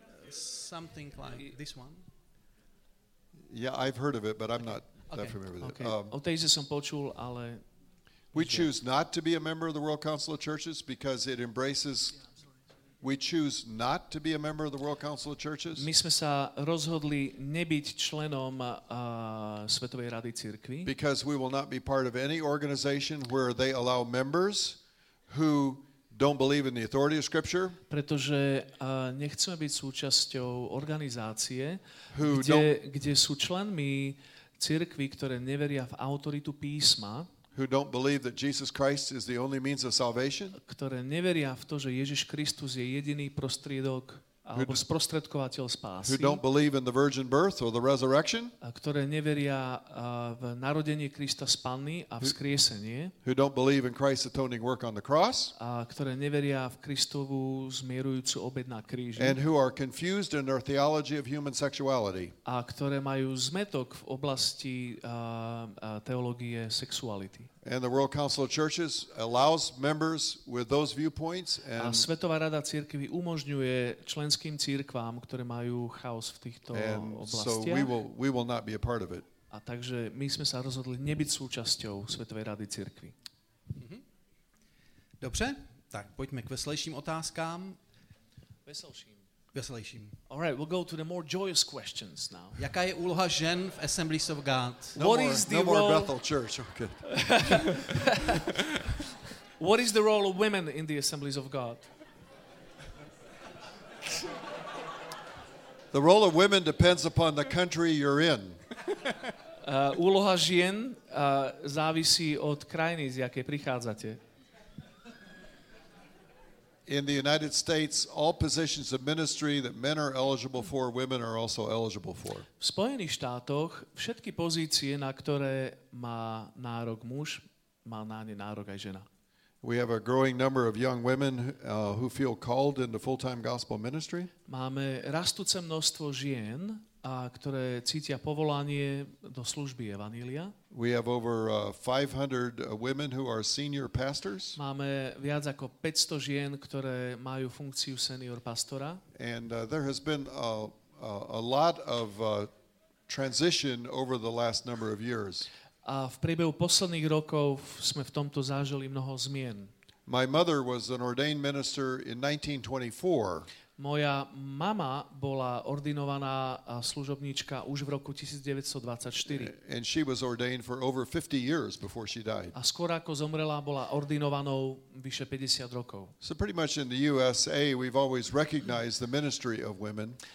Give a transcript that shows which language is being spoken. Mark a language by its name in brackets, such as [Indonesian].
[English] Something like this one. Yeah, I've heard of it, but I'm not that familiar with it. [Slovak] O Taizé som počul, ale... [English] We choose not to be a member of the World Council of Churches because it embraces... We choose not to be a member of the World Council of Churches. [Slovak] My sme sa rozhodli nebyť členom Svetovej rady cirkvi. [English] Because we will not be part of any organization where they allow members who... don't believe in the authority of scripture. [Slovak] Pretože nechceme byť súčasťou organizácie, kde sú členmi cirkvi, ktoré neveria v autoritu písma, [English] who don't believe that Jesus Christ is the only means of salvation, [Slovak] ktoré neveria v to, že Ježiš Kristus je jediný prostriedok alebo sprostredkovateľ spásy, [English] who don't believe in the virgin birth or the resurrection, [Slovak] ktoré neveria v narodenie Krista z Panny a vzkriesenie, [English] who don't believe in Christ's atoning work on the cross, [Slovak] a ktoré neveria v Kristovu zmierujúcu obeť na kríži, [English] and who are confused in their theology of human sexuality, [Slovak] a ktoré majú zmetok v oblasti teológie sexuality. [English] And the World Council of Churches allows members with those viewpoints and [Slovak] a Svetová rada cirkvi umožňuje členským cirkvám, ktoré majú chaos v týchto oblastiach. [English] So we will not be a part of it. [Slovak] A takže my sme sa rozhodli nebyť súčasťou Svetovej rady cirkvi. [Czech] Dobře? [Slovak] Tak poďme k veselším otázkám. Veselejším. [English] All right, we'll go to the more joyous questions now. [Czech] Jaká je úloha žen v Assemblies of God? [English] No more Bethel Church. Okay. What is the role of women in the Assemblies of God? The role of women depends upon the country you're in. [Slovak] Úloha žien závisí od krajiny, z jakej prichádzate. [English] In the United States, all positions of ministry that men are eligible for, women are also eligible for. [Slovak] V Spojených štátoch všetky pozície, na ktoré má nárok muž, má na ne nárok aj žena. [English] We have a growing number of young women who feel called into full-time gospel ministry. [Slovak] Máme rastúce množstvo žien, a ktoré cítia povolanie do služby evanjelia. [English] We have over 500 women who are senior pastors. [Slovak] Máme viac ako 500 žien, ktoré majú funkciu senior pastora. [English] And there has been a lot of transition over the last number of years. [Slovak] A v priebehu posledných rokov sme v tomto zažili mnoho zmien. [English] My mother was an ordained minister in 1924. [Slovak] Moja mama bola ordinovaná služobníčka už v roku 1924. [English] And she was ordained for over 50 years before she died. [Slovak] A skôr ako zomrela, bola ordinovanou vyše 50 rokov. [English] So pretty much in the USA we've always recognized the ministry of women.